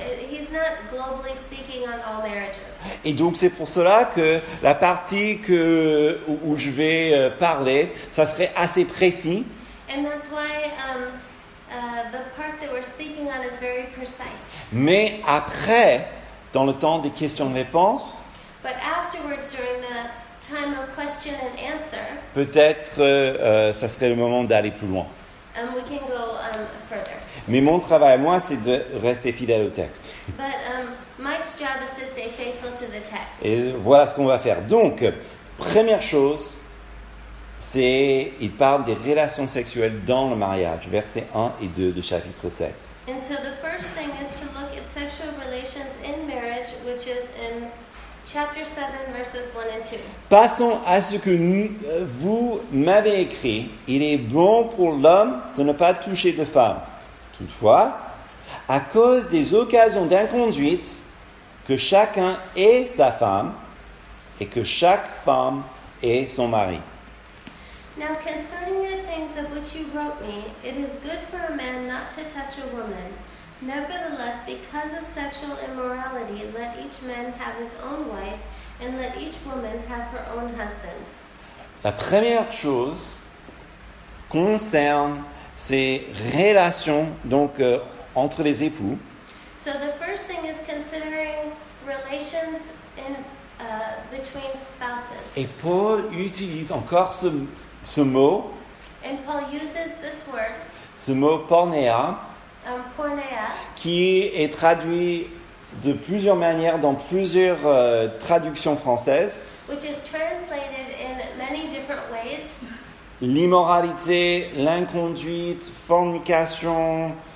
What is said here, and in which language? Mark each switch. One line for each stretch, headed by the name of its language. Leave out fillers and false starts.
English: He's not globally speaking on all marriages.
French: Et donc c'est pour cela que la partie que, où je vais parler, ça serait assez précis.
English: And that's why the part that we're speaking on is very precise.
French: Mais après, dans le temps des questions-réponses,
English: but afterwards, during the time of question and answer,
French: peut-être ça serait le moment d'aller plus loin.
English: And we can go further.
French: Mais mon travail à moi, c'est de rester fidèle au texte.
English: But Mike's job is to stay faithful to the text.
French: Et voilà ce qu'on va faire. Donc, première chose, c'est il parle des relations sexuelles dans le mariage, versets 1 et 2 de chapitre 7.
English: And so the first thing is to look at sexual relations in marriage, which is in chapter 7, verses 1 and 2.
French: Passons à ce que vous m'avez écrit. Il est bon pour l'homme de ne pas toucher de femme. Toutefois, à cause des occasions d'inconduite, que chacun ait sa femme et que chaque femme ait son mari.
English: Now concerning the things of which you wrote me, it is good for a man not to touch a woman. Nevertheless, because of sexual immorality, let each man have his own wife and let each woman have her own husband.
French: La première chose concerne ces relations donc entre les époux.
English: So the first thing is considering relations in between spouses.
French: Et Paul utilise encore ce mot.
English: And Paul uses this word.
French: Ce mot porneia.
English: Porneia.
French: Qui est traduit de plusieurs manières dans plusieurs traductions françaises.
English: Which is translated in many different ways.
French: L'immoralité, l'inconduite, fornication,